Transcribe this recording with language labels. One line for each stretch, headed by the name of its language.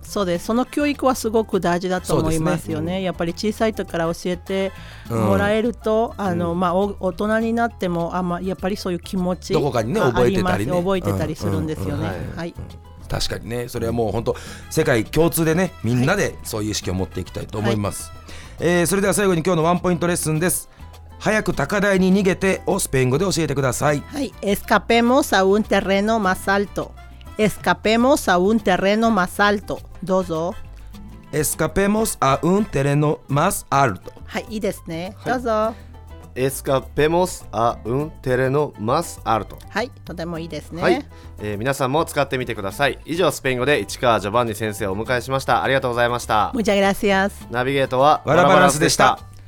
Japanese: その教育はすごく大事だと思いますよ ね、やっぱり小さい時から教えてもらえると、大人になってもやっぱりそういう気持ちどこかに覚えてたりするんですよね。はい、確かにね、それはもう本当世界共通でね、みんなでそういう意識を持っていきたいと思います。はい、それでは最後に今日のワンポイントレッスンです。早く高台に逃げてをスペイン語で教えてください。はい、
Spanish: Escapemos a un terreno más alto. Escapemos a un terreno más alto.
Japanese: どうぞ。
Spanish: Escapemos a un terreno más alto.
Japanese: はい、いいですね、はい、どうぞ。
Spanish: Escapemos a un terreno más alto。
Japanese: はい、とてもいいですね。はい、皆さんも使ってみてください。以上、スペイン語で市川ジョバンニ先生をお迎えしました。ありがとうございました。
Spanish: Muchas gracias。
Japanese: ナビゲートはワラバランスでした。